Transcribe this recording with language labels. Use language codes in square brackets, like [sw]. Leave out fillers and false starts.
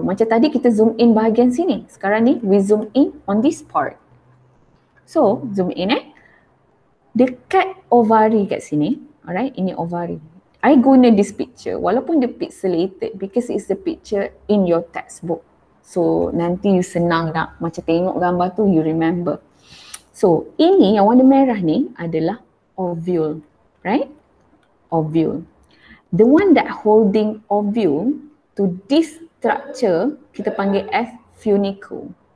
[ms] Macam tadi kita [en] zoom in [ms] bahagian sini. Sekarang ni [en] we zoom in on this part. [ms] So zoom in eh. Dekat ovary kat sini. Alright, ini ovary. [en] I [ms] guna [en] this picture [ms] walaupun dia [en] pixelated because it's the picture in your textbook. [ms] So nanti you senang nak macam tengok gambar tu, [en] you remember. [ms] So, ini yang warna merah ni adalah ovule, right? [en] Ovule. The one that holding ovule to this structure, [ms] kita panggil [en] as funicle.